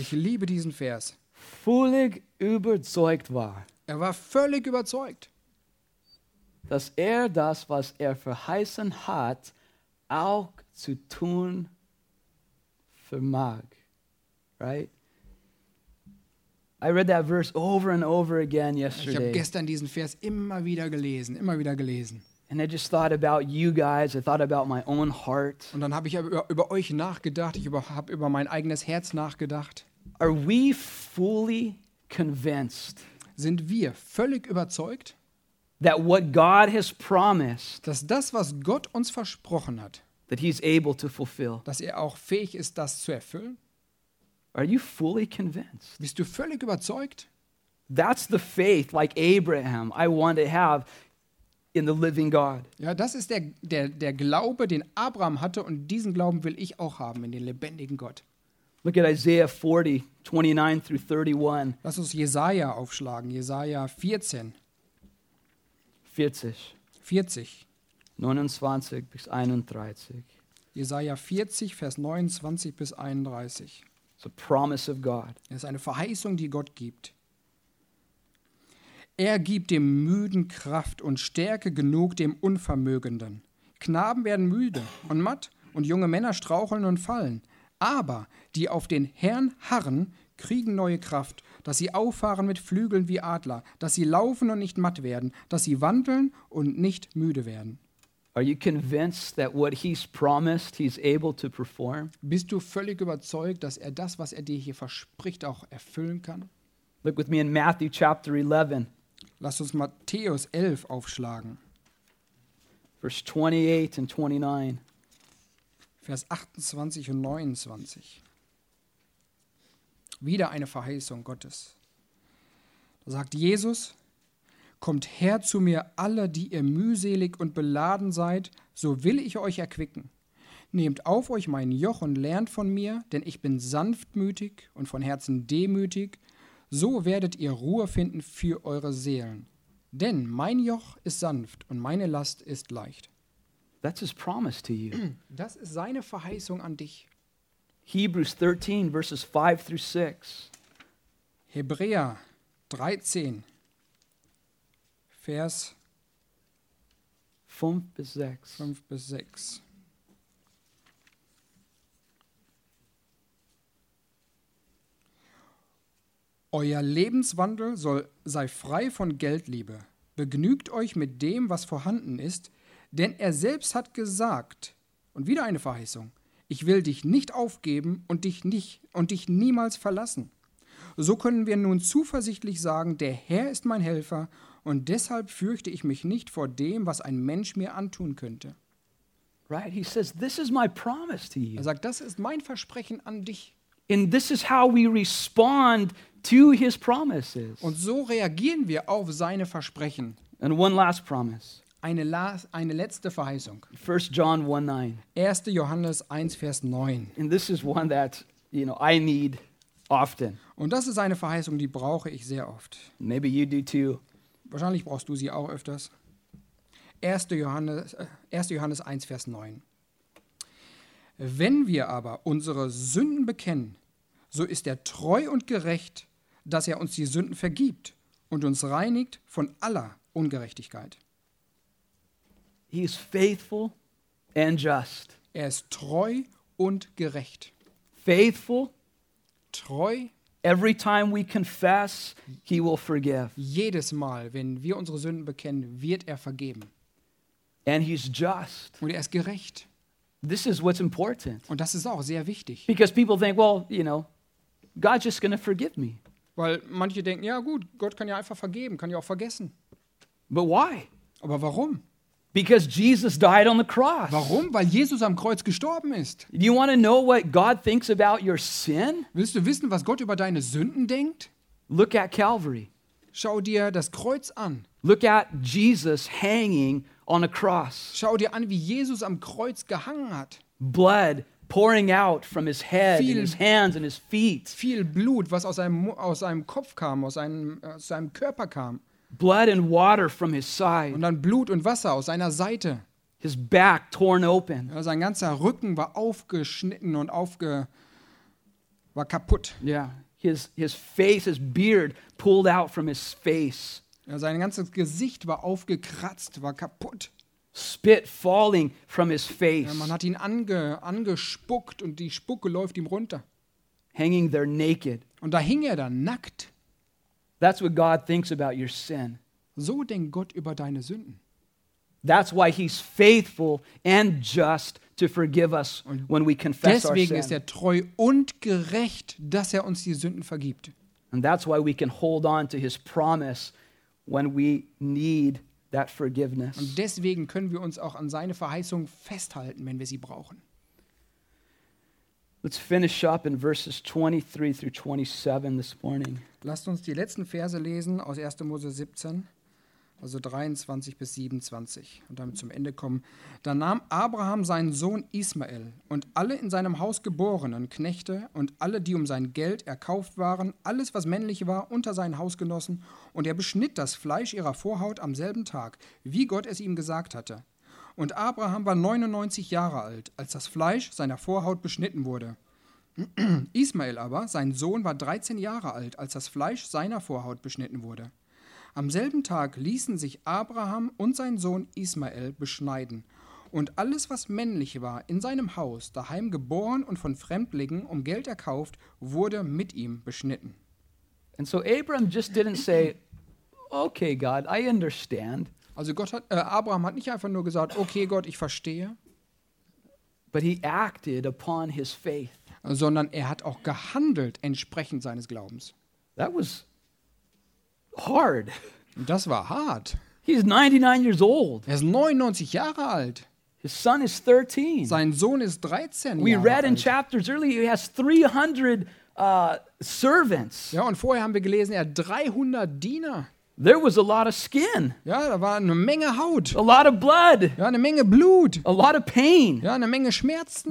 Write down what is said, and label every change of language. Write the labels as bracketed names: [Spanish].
[German] Ich liebe diesen Vers. Völlig überzeugt war. Er war völlig überzeugt, dass er das, was er verheißen hat, auch zu tun vermag. [English] Right? I read that verse over and over again yesterday. [German] Ich habe gestern diesen Vers immer wieder gelesen, immer wieder gelesen. [English] And I just thought about you guys. I thought about my own heart. [German] Und dann habe ich über euch nachgedacht. Ich habe über mein eigenes Herz nachgedacht. [English] Are we fully convinced? [German] Sind wir völlig überzeugt, [English] that what God has promised, [German] dass das, was Gott uns versprochen hat, [English] that he's able to fulfill, [German] dass er auch fähig ist, das zu erfüllen? [English] Are you fully convinced? [German] Bist du völlig überzeugt? [English] That's the faith like Abraham I want to have in the living God. [German] Ja, das ist der Glaube, den Abraham hatte, und diesen Glauben will ich auch haben in den lebendigen Gott. [English] Look at Isaiah 40, 29 through 31. [German] Lass uns Jesaja aufschlagen, Jesaja 14. 40. 40. 29 bis 31. Jesaja 40, Vers 29 bis 31. It's a promise of God. Es ist eine Verheißung, die Gott gibt. Er gibt dem Müden Kraft und Stärke genug dem Unvermögenden. Knaben werden müde und matt und junge Männer straucheln und fallen. Aber die auf den Herrn harren, kriegen neue Kraft, dass sie auffahren mit Flügeln wie Adler, dass sie laufen und nicht matt werden, dass sie wandeln und nicht müde werden. [English] Are you convinced that what he's promised, he's able to perform? [German] Bist du völlig überzeugt, dass er das, was er dir hier verspricht, auch erfüllen kann? [English] Look with me in Matthew chapter 11. [German] Lass uns Matthäus 11 aufschlagen. [English] Verse 28 and 29. [German] Vers 28 und 29. Wieder eine Verheißung Gottes. Da sagt Jesus: Kommt her zu mir, alle, die ihr mühselig und beladen seid, so will ich euch erquicken. Nehmt auf euch mein Joch und lernt von mir, denn ich bin sanftmütig und von Herzen demütig. So werdet ihr Ruhe finden für eure Seelen. Denn mein Joch ist sanft und meine Last ist leicht. [English] That's his promise to you. [German] Das ist seine Verheißung an dich. [English] Hebrews 13, verses 5 through 6. [German] Hebräer 13. Vers 5 bis 6. Euer Lebenswandel sei frei von Geldliebe. Begnügt euch mit dem, was vorhanden ist, denn er selbst hat gesagt, und wieder eine Verheißung: Ich will dich nicht aufgeben und dich niemals verlassen. So können wir nun zuversichtlich sagen: Der Herr ist mein Helfer. Und deshalb fürchte ich mich nicht vor dem, was ein Mensch mir antun könnte. [English] Right, he says, this is my promise to you. [German] Er sagt, das ist mein Versprechen an dich. [English] And this is how we respond to his promises. [German] Und so reagieren wir auf seine Versprechen. [English] And one last promise. [German] Eine letzte Verheißung. [English] 1 John 1:9. [German] 1. Johannes 1 Vers 9. [English] And this is one that, you know, I need often. [German] Und das ist eine Verheißung, die brauche ich sehr oft. [English] Maybe you do too. [German] Wahrscheinlich brauchst du sie auch öfters. 1. Johannes 1 Vers 9. Wenn wir aber unsere Sünden bekennen, so ist er treu und gerecht, dass er uns die Sünden vergibt und uns reinigt von aller Ungerechtigkeit. [English] He is faithful and just. [German] Er ist treu und gerecht. [English] Faithful, [German] treu. [English] Every time we confess, he will forgive. [German] Jedes Mal, wenn wir unsere Sünden bekennen, wird er vergeben. [English] And he's just. [German] Und er ist gerecht. [English] This is what's important. [German] Und das ist auch sehr wichtig. [English] Because people think, well, you know, God's just going to forgive me. [German] Weil manche denken, ja gut, Gott kann ja einfach vergeben, kann ja auch vergessen. [English] But why? [German] Aber warum? [English] Because Jesus died on the cross. [German] Warum? Weil Jesus am Kreuz gestorben ist. [English] Do you want to know what God thinks about your sin? [German] Willst du wissen, was Gott über deine Sünden denkt? [English] Look at Calvary. [German] Schau dir das Kreuz an. [English] Look at Jesus hanging on a cross. [German] Schau dir an, wie Jesus am Kreuz gehangen hat. [English] Blood pouring out from his head, [German] viel, [English] and his hands and his feet. [German] Viel Blut, was aus seinem Kopf kam, aus seinem Körper kam. [English] Blood and water from his side. [German] Und dann Blut und Wasser aus seiner Seite. [English] His back torn open. [German] Ja, sein ganzer Rücken war aufgeschnitten und war kaputt. [English] Yeah. His face, his beard pulled out from his face. [German] Ja, sein ganzes Gesicht war aufgekratzt, war kaputt. [English] Spit falling from his face. [German] Ja, man hat ihn angespuckt und die Spucke läuft ihm runter. [English] Hanging there naked. [German] Und da hing er dann nackt. [English] That's what God thinks about your sin. [German] So denkt Gott über deine Sünden. [English] That's why he's faithful and just to forgive us when we confess our sin. [German] Deswegen ist er treu und gerecht, dass er uns die Sünden vergibt. [English] And that's why we can hold on to his promise when we need that forgiveness. [German] Und deswegen können wir uns auch an seine Verheißung festhalten, wenn wir sie brauchen. [English] Let's finish up in verses 23 through 27 this morning. [German] Lasst uns die letzten Verse lesen aus 1. Mose 17, also 23 bis 27 und damit zum Ende kommen. Da nahm Abraham seinen Sohn Ismael und alle in seinem Haus geborenen Knechte und alle, die um sein Geld erkauft waren, alles, was männlich war, unter seinen Hausgenossen und er beschnitt das Fleisch ihrer Vorhaut am selben Tag, wie Gott es ihm gesagt hatte. Und Abraham war 99 Jahre alt, als das Fleisch seiner Vorhaut beschnitten wurde. Ismael aber, sein Sohn, war 13 Jahre alt, als das Fleisch seiner Vorhaut beschnitten wurde. Am selben Tag ließen sich Abraham und sein Sohn Ismael beschneiden. Und alles, was männlich war, in seinem Haus, daheim geboren und von Fremdlingen um Geld erkauft, wurde mit ihm beschnitten. [English] And so Abraham just didn't say, okay, God, I understand. [German] Also Abraham hat nicht einfach nur gesagt, okay, Gott, ich verstehe. [English] But he acted upon his faith. [German] Sondern er hat auch gehandelt entsprechend seines Glaubens. [English] That was hard. [German] Das war hart. [English] He's 99 years old. [German] Er ist 99 Jahre alt. [English] His son is 13. [German] Sein Sohn ist 13 Jahre alt. [English] We read in chapters earlier, he has 300 servants. [German] Ja, und vorher haben wir gelesen, er hat 300 Diener. [English] There was a lot of skin. [German] Ja, da war eine Menge Haut. [English] A lot of blood. [German] Ja, eine Menge Blut. [English] A lot of pain. [German] Ja, eine Menge Schmerzen.